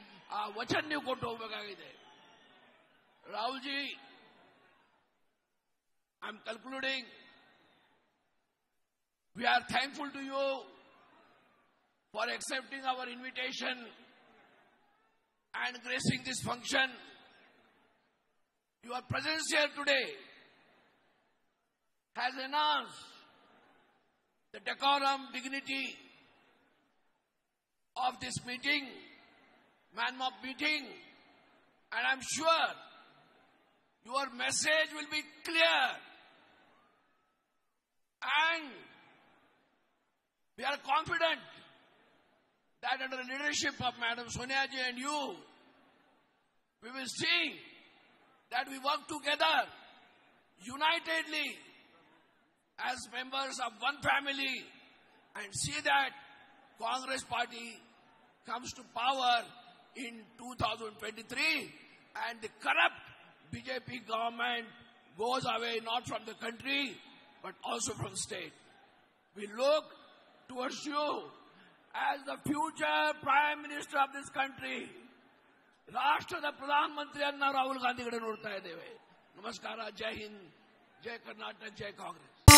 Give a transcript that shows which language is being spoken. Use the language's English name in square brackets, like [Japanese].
[Kannada] ಆ ವಚನ ನೀವು ಕೊಟ್ಟು ಹೋಗಬೇಕಾಗಿದೆ. Rahul G, [English] I am concluding. We are thankful to you for accepting our invitation and gracing this function. Your presence here today has enhanced the decorum, dignity of this meeting, man-mob meeting, and I'm sure your message will be clear. And we are confident that under the leadership of Madam Sonia ji and you, we will see that we work together unitedly as members of one family and see that Congress party comes to power in 2023 and the corrupt BJP government goes away, not from the country but also from state. We look towards you as the future prime minister of this country. [Kannada] ರಾಷ್ಟ್ರದ ಪ್ರಧಾನಮಂತ್ರಿಯನ್ನ ರಾಹುಲ್ ಗಾಂಧಿ ಕಡೆ ನೋಡ್ತಾ ಇದ್ದೇವೆ. ನಮಸ್ಕಾರ. ಜೈ ಹಿಂದ್, ಜೈ ಕರ್ನಾಟಕ, ಜೈ ಕಾಂಗ್ರೆಸ್.